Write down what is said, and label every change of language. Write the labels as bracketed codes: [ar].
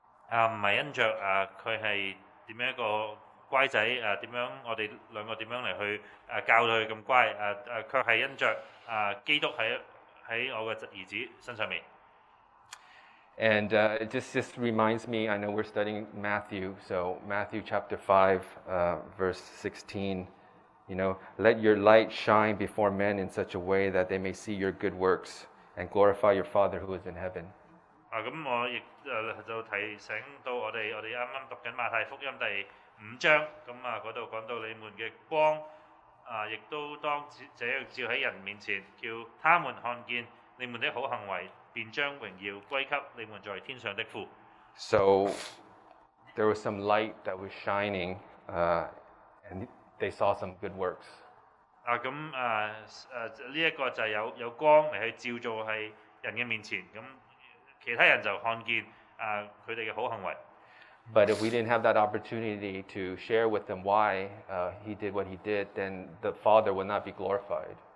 [yue] 唔係因著佢係點樣一個乖仔，點樣我哋兩個點樣嚟去教佢咁乖，卻係因著基督喺我個兒子身上面。And [en] it just reminds me, I know we're studying Matthew, so Matthew chapter 5, verse 16, You know, let your light shine before men in such a way that they may see your good works and glorify your Father who is in heaven. [yue] 我亦就提醒到我哋啱啱讀緊馬太福音第五章，咁啊嗰度講到你們嘅光啊，亦都當照喺人面前，叫他們看見你們的好行為，便將榮耀歸給你們在天上的父。 [en] So there was some light that was shining, and they saw some good works. [yue] 咁呢一個就有光嚟去照做喺人嘅面前，咁。其他人就看見佢哋嘅好行為。 [en] But if we didn't have that opportunity to share with them why he did what he did, then the Father would not be glorified.